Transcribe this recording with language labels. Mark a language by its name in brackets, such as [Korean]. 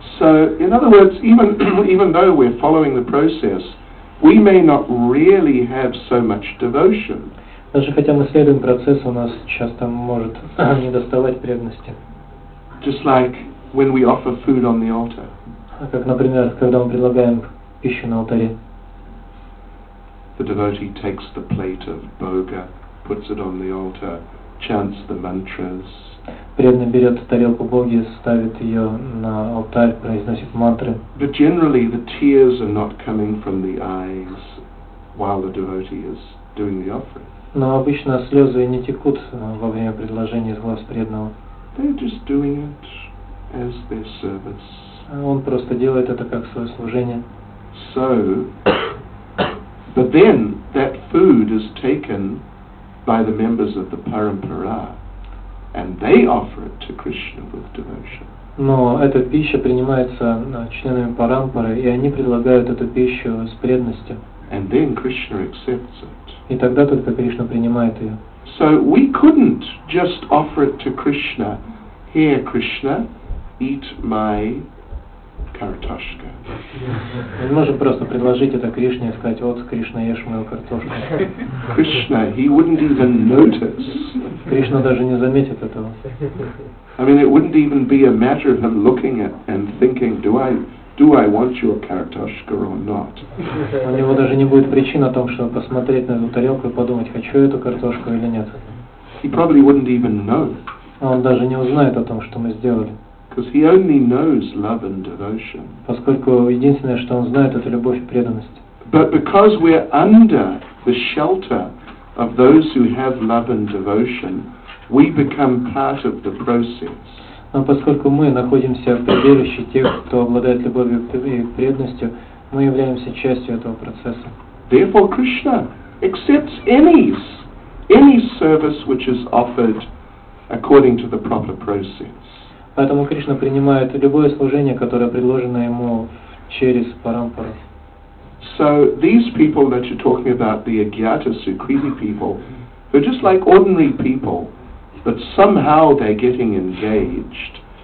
[English] So, in other words, even though we're following the process, we may not really have so much devotion. [Russian] Даже хотя мы следуем процессу, у нас часто может не доставать преданности. [English] Just like when we offer food on the altar. [Russian] Как, например, когда мы предлагаем пищу на алтаре. [English] The devotee takes the plate of bhoga, puts it on the altar, chants the mantras. [Russian] Преданный берет тарелку бхоги, ставит ее на алтарь, произносит мантры. [English] But generally the tears are not coming from the eyes while the devotee is doing the offering. [Russian] Но обычно слезы не текут во время предложения из глаз преданного. [English] They're just doing it as their service. [Russian] Он просто делает это как свое служение. [English] So, but then that food is taken by the members of the parampara, and they offer it to Krishna with devotion. [Russian] Но эта пища принимается членами парампары, и они предлагают эту пищу с преданностью. [English] And then Krishna accepts it. [Russian] И тогда только Кришна принимает ее. [English] So we couldn't just offer it to Krishna. Here, Krishna, eat my [Russian] картошка. Мы не можем просто предложить это Кришне и сказать: вот, Кришна, ешь мою картошку. [English] Krishna, he wouldn't even notice. [Russian] Кришна даже не заметит этого. [English] I mean, it wouldn't even be a matter of him looking at and thinking, do I want your [Russian] картошка [English] or not? [Russian] У него даже не будет причин о том, чтобы посмотреть на эту тарелку и подумать, хочу я эту картошку или нет. [English] He probably wouldn't even know. [Russian] Он даже не узнает о том, что мы сделали. [English] Because he only knows love and devotion. [Russian] Поскольку единственное, что он знает, это любовь и преданность. [English] But because we're under the shelter of those who have love and devotion, we become part of the process. [Russian] Но поскольку мы находимся в прибежище тех, кто обладает любовью и преданностью, мы являемся частью этого процесса. [English] Therefore, Krishna accepts any service which is offered according to the proper process. [Russian] Поэтому Кришна принимает любое служение, которое предложено ему через парампару. [English] So these people that you're talking about, the Agyata Sukriti people, they're just like ordinary people, but somehow they're getting engaged.